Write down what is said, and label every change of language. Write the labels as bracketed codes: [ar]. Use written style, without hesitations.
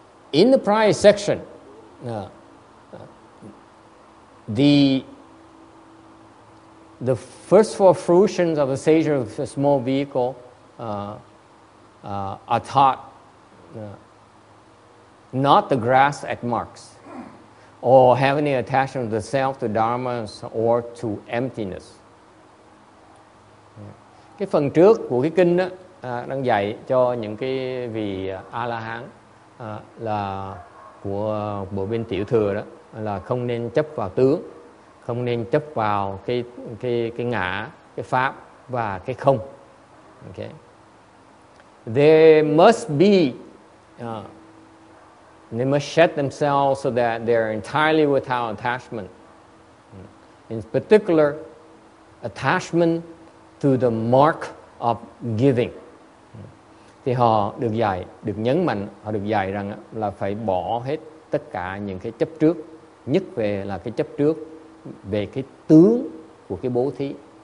[en] In the prior section, the first four fruitions of a sage of a small vehicle are taught not the grass at marks, or have any attachment of the self to dharmas or to emptiness. [vi] Cái phần trước của cái kinh đó đang dạy cho những cái vị A-la-hán là của bộ bên tiểu thừa đó là không nên chấp vào tướng, không nên chấp vào cái ngã, cái pháp và cái không. [en] Okay. There must be they must shed themselves so that they are entirely without attachment. In particular, attachment to the mark of giving. [vi] Thì họ được dạy, được nhấn mạnh, họ được dạy rằng là phải bỏ hết tất cả những cái chấp trước, nhất về là cái chấp trước về cái tướng của cái bố thí.